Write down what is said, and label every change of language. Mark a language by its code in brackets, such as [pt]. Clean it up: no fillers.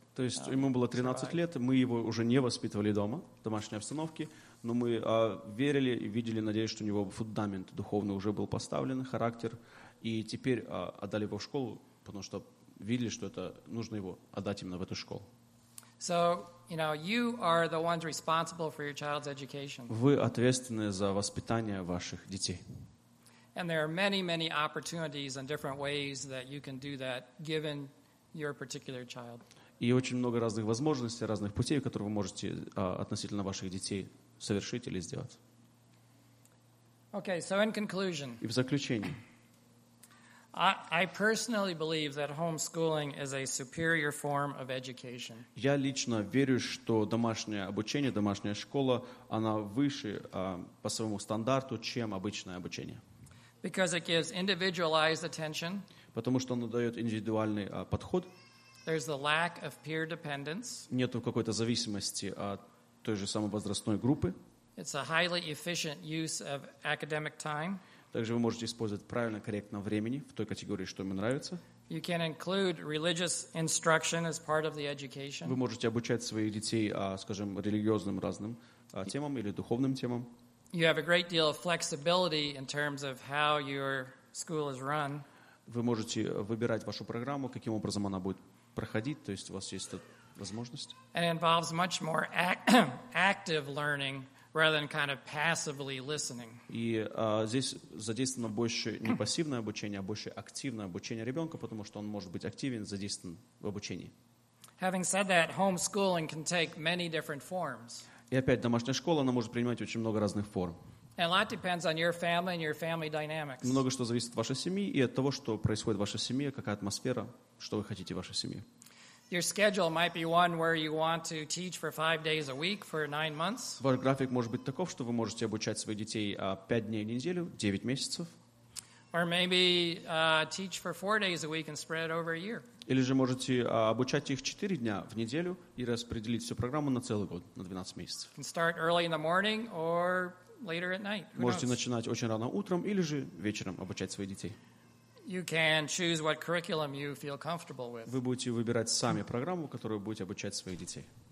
[ru] То есть ему было 13 лет, мы его уже не воспитывали дома, в домашней обстановке, но мы верили и видели, надеюсь, что у него фундамент духовный уже был поставлен, характер, и теперь отдали его в школу, потому что видели, что это нужно его отдать именно в эту школу. [en] So, you know, you are the ones responsible for your child's education. [ru] Вы ответственны за воспитание ваших детей. [en] And there are many, many opportunities and different ways that you can do that, given your particular child. [ru] И очень много разных возможностей, разных путей, которые вы можете относительно ваших детей совершить или сделать. [en] Okay, so in conclusion. [ru] И в заключение. [en] I personally believe that homeschooling is a superior form of education. [ru] Я лично верю, что домашнее обучение, домашняя школа, она выше по своему стандарту, чем обычное обучение. [en] Because it gives individualized attention. [ru] Потому что оно дает индивидуальный подход. [en] There's the lack of peer dependence. [ru] Нету какой-то зависимости от той же самой возрастной группы. [en] It's a highly efficient use of academic time. [ru] Также вы можете использовать правильно, корректно времени в той категории, что ему нравится. [en] You can include religious instruction as part of the education. [ru] Вы можете обучать своих детей, скажем, религиозным разным темам или духовным темам. [en] You have a great deal of flexibility in terms of how your school is run. [ru] Вы можете выбирать вашу программу, каким образом она будет проходить, то есть у вас есть эта возможность. [en] And it involves much more active learning. Rather than kind of passively listening. [ru] И здесь задействовано больше не пассивное обучение, а больше активное обучение ребенка, потому что он может быть активен, задействован в обучении. [en] Having said that, homeschooling can take many different forms. [ru] И опять, домашняя школа, она может принимать очень много разных форм. [en] And a lot depends on your family and your family dynamics. [ru] Много что зависит от вашей семьи и от того, что происходит в вашей семье, какая атмосфера, что вы хотите в вашей семье. [en] Your schedule might be one where you want to teach for 5 days a week for 9 months. [ru] Ваш график может быть таков, что вы можете обучать своих детей 5 дней в неделю, 9 месяцев. [en] Or maybe teach for 4 days a week and spread it over a year. [ru] Или же можете обучать их 4 дня в неделю и распределить всю программу на целый год, на 12 месяцев. [en] Can start early in the morning or later at night. [ru] Можете начинать очень рано утром или же вечером обучать своих детей. [en] You can choose what curriculum you feel comfortable with. [ru] Вы будете выбирать сами программу, которую будете обучать своих детей.